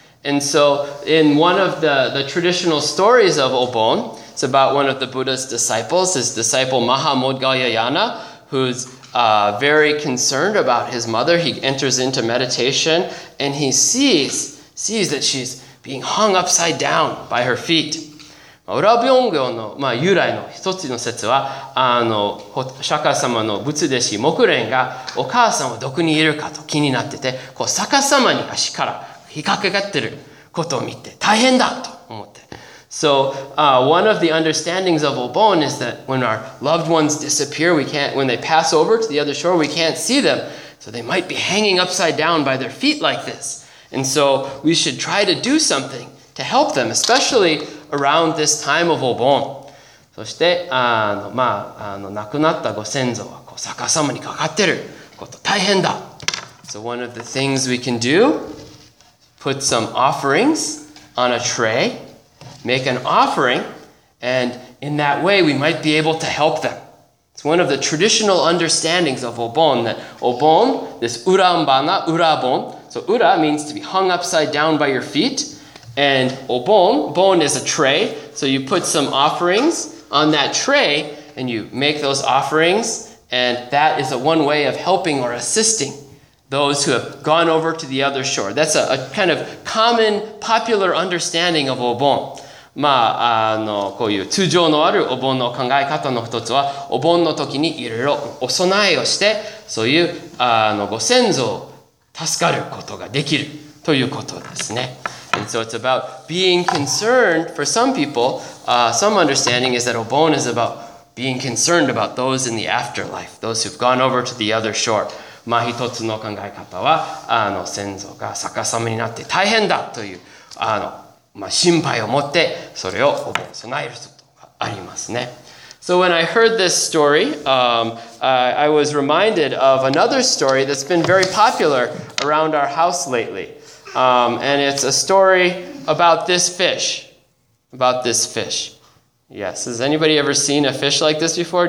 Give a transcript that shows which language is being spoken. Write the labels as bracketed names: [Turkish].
[English] And so in one of the traditional stories of Obon, it's about one of the Buddha's disciples, his disciple Mahamoggallayana, who's very concerned about his mother. He enters into meditation and he sees that she's being hung upside down by her feet. [Japanese] Urabongyo の由来の一つの説は、釈迦様の仏弟子、木蓮がお母さんはどこにいるかと気になってて、こう逆さまに足から引っかかってることを見て、大変だと思って。 [English] So one of the understandings of Obon is that when our loved ones disappear, we can't, when they pass over to the other shore, we can't see them. So they might be hanging upside down by their feet like this. And so we should try to do something to help them, especially around this time of Obon. [Japanese] そして、まあ、亡くなったご先祖はこう逆さまにかかってること大変だ。 [English] So one of the things we can do, put some offerings on a tray, make an offering, and in that way we might be able to help them. It's one of the traditional understandings of Obon, that Obon, this Urambana, Urabon, so Ura means to be hung upside down by your feet, and Obon, Bon is a tray, so you put some offerings on that tray, and you make those offerings, and that is a one way of helping or assisting those who have gone over to the other shore. That's a kind of common, popular understanding of Obon. [Japanese] まあ、こういう通常のあるお盆の考え方の一つは、お盆の時にいろいろお供えをして、そういうご先祖を助かることができるということですね。 [English] And so it's about being concerned for some people. Some understanding is that Obon is about being concerned about those in the afterlife, those who've gone over to the other shore. [Japanese] まあ一つの考え方は、先祖が逆さまになって大変だという、まあ心配を持ってそれをお盆に備える人とかありますね。 [English] So when I heard this story, I was reminded of another story that's been very popular around our house lately. And it's a story about this fish. About this fish. Yes, has anybody ever seen a fish like this before?